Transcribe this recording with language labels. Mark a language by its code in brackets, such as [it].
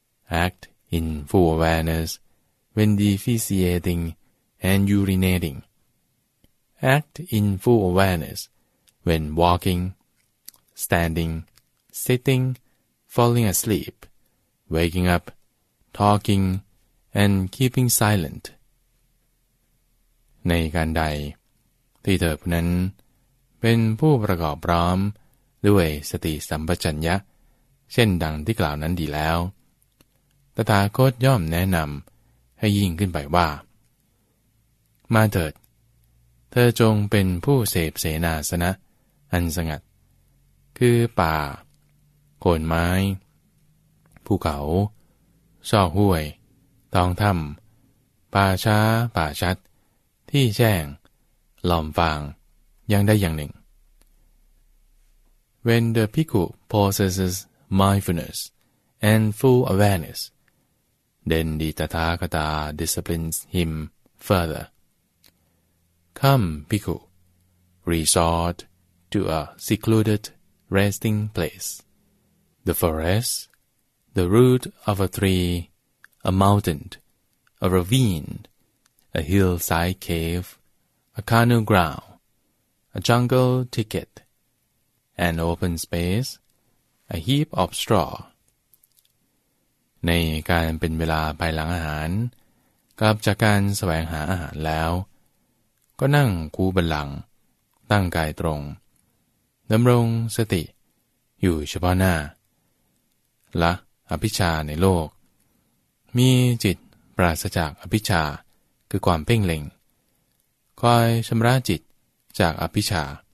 [en] Act in full awareness when defecating and urinating. Act in full awareness when walking, standing, sitting, falling asleep, waking up, talking, and keeping silent. [th] ในการใดที่เธอผู้นั้นเป็นผู้ประกอบพร้อมด้วยสติสัมปชัญญะเช่นดังที่กล่าวนั้นดีแล้วตถาคตย่อมแนะนำให้ยิ่งขึ้นไปว่า มาเถิดเธอจงเป็นผู้เสพเสนาสนะอันสงัดคือป่าโคนไม้ภูเขาซอกห้วยท้องถ้ำป่าช้าป่าชัดที่แช่งหล่อมฟางยังได้อย่างหนึ่ง [en] When the bhikkhu possesses mindfulness and full awareness, then the Tathagata disciplines him further. Come, bhikkhu, resort to a secluded resting place, the forest, the root of a tree, a mountain, a ravine, a hillside cave, a canoe ground, a jungle thicket, an open space, a heap of straw. [th] ในการเป็นเวลาภายหลังอาหารกับจากการแสวงหาอาหารแล้วก็นั่งคูบัลลังก์ตั้งกายตรงดำรงสติอยู่เฉพาะหน้าละอภิชฌาในโลกมีจิตปราศจากอภิชฌาคือความเพ่งเล็งคอยชำระจิตจากอภิชฌา